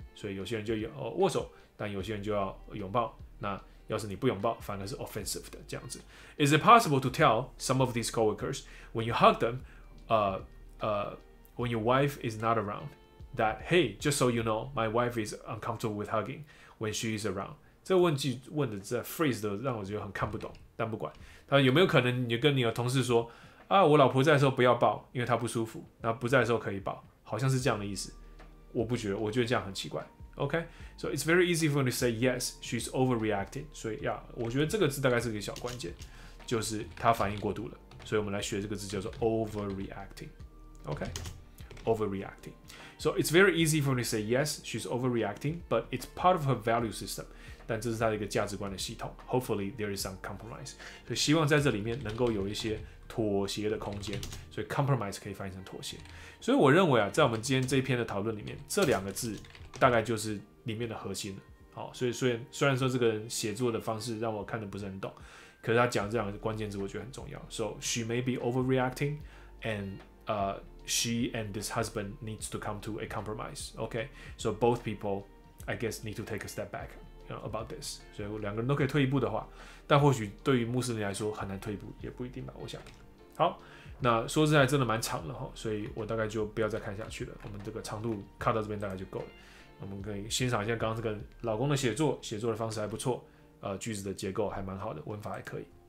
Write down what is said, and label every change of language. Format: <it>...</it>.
<zh>所以有些人就握手。但有些人就要拥抱，那要是你不拥抱，反而是 offensive 的这样子。</zh> <en>Is it possible to tell some of these coworkers when you hug them, when your wife is not around, that hey, just so you know, my wife is uncomfortable with hugging when she is around？</en> <zh>这问句问的这 phrase 的让我觉得很看不懂，但不管。他有没有可能你跟你的同事说啊，我老婆在的时候不要抱，因为她不舒服，那不在的时候可以抱，好像是这样的意思。我不觉得，我觉得这样很奇怪。</zh> <en>Okay, so it's very easy for me to say yes, she's overreacting.</en> <zh>所以呀，我觉得这个字大概是个小关键，就是她反应过度了。所以我们来学这个字叫做 overreacting. Okay, overreacting.</zh> <en>So it's very easy for me to say yes, she's overreacting, but it's part of her value system.</en> <zh>但这是她的一个价值观的系统。</zh> <en>Hopefully there is some compromise.</en> <zh>所以希望在这里面能够有一些妥协的空间。所以 compromise 可以翻译成妥协。所以我认为啊，在我们今天这一篇的讨论里面，这两个字。大概就是里面的核心了。好，所以虽然说这个人写作的方式让我看的不是很懂，可是他讲这两个关键字我觉得很重要。</zh> <en>So she may be overreacting, and she and this husband needs to come to a compromise. Okay, so both people, I guess, need to take a step back, you know, about this.</en> <zh>所以两个人都可以退一步的话，但或许对于穆斯林来说很难退一步，也不一定吧。我想，好。那说实在真的蛮长了，所以我大概就不要再看下去了，我们这个长度卡到这边大概就够了。我们可以欣赏一下刚刚这个老公的写作的方式还不错，句子的结构还蛮好的，文法还可以。</zh>